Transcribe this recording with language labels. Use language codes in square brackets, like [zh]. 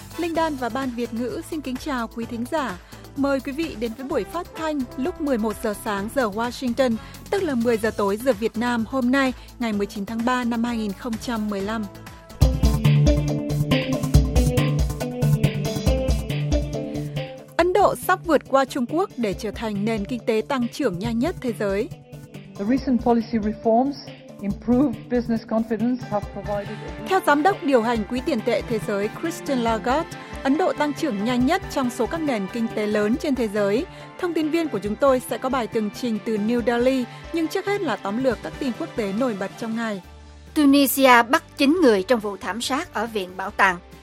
[vi] Linh Đan và Ban Việt Ngữ xin kính chào quý thính giả. Mời quý vị đến với buổi phát thanh lúc 11 giờ sáng giờ Washington, tức là 10 giờ tối giờ Việt Nam hôm nay, ngày 19 tháng 3 năm 2015. Ấn Độ sắp vượt qua Trung Quốc để trở thành nền kinh tế tăng trưởng nhanh nhất thế giới. [en] The recent policy reforms improved business confidence have provided. [vi] Theo Giám đốc điều hành Quỹ tiền tệ thế giới Christine Lagarde, Ấn Độ tăng trưởng nhanh nhất trong số các nền kinh tế lớn trên thế giới. Thông tin viên của chúng tôi sẽ có bài tường trình từ New Delhi, nhưng trước hết là tóm lược các tin quốc tế nổi bật trong ngày. Tunisia bắt 9 người trong vụ thảm sát ở Viện Bảo tàng.